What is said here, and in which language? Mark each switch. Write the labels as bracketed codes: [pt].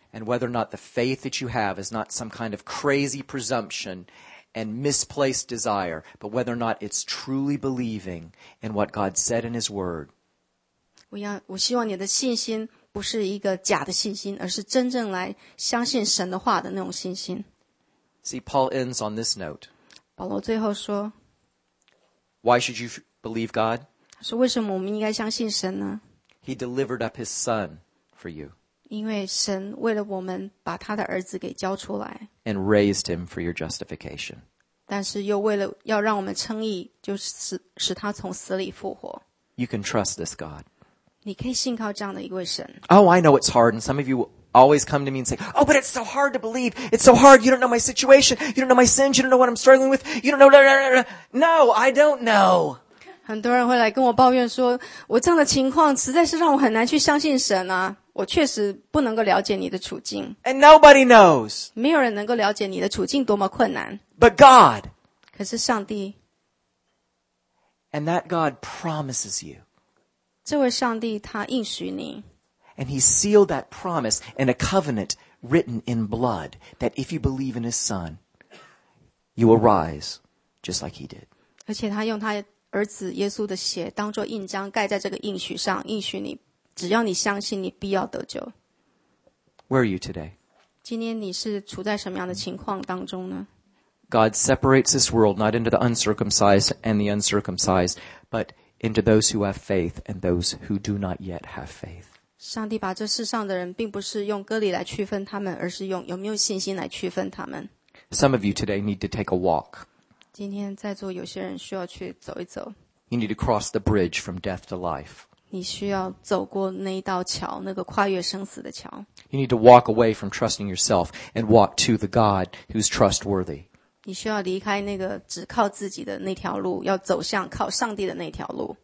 [en] And whether or not the faith that you have is not some kind of crazy presumption and misplaced desire, but whether or not it's truly believing in what God said in His Word. [zh] 我希望你的信心不是一个假的信心，而是真正来相信神的话的那种信心。 [en] See, Paul ends on this note. [zh] 保罗最后说 [en] Why should you believe God? [zh] 说为什么我们应该相信神呢 [en] He delivered up his son for you. [zh] 因为神为了我们把他的儿子给交出来 [en] And raised him for your justification. [zh] 但是又为了要让我们称义就是使他从死里复活 [en] You can trust this God. [zh] 你可以信靠这样的一位神 [en] Oh, I know it's hard and some of you... always come to me and say, oh, but it's so hard to believe. It's so hard. You don't know my situation. You don't know my sins. You don't know what I'm struggling with. You don't know. No, I don't know. [zh] 很多人会来跟我抱怨说我这样的情况实在是让我很难去相信神啊。我确实不能够了解你的处境。 [en] And nobody knows. [zh] 没有人能够了解你的处境多么困难。 [en] But God. [zh] 可是上帝。 [en] And that God promises you. [zh] 这位上帝他应许你。 [en] And he sealed that promise in a covenant written in blood that if you believe in his son, you will rise just like he did. [zh] 而且他用他儿子耶稣的血当作印章盖在这个应许上应许你只要你相信你必要得救。 [en] Where are you today? [zh] 今天你是处在什么样的情况当中呢? [en] God separates this world not into the uncircumcised and the uncircumcised, but into those who have faith and those who do not yet have faith. [zh] 上帝把这世上的人并不是用割礼来区分他们而是用有没有信心来区分他们 [en] Some of you today need to take a walk [zh] 今天在座有些人需要去走一走 [en] You need to cross the bridge from death to life [zh] 你需要走过那一道桥那个跨越生死的桥 [en] You need to walk away from trusting yourself and walk to the God who's trustworthy [zh] 你需要离开那个只靠自己的那条路要走向靠上帝的那条路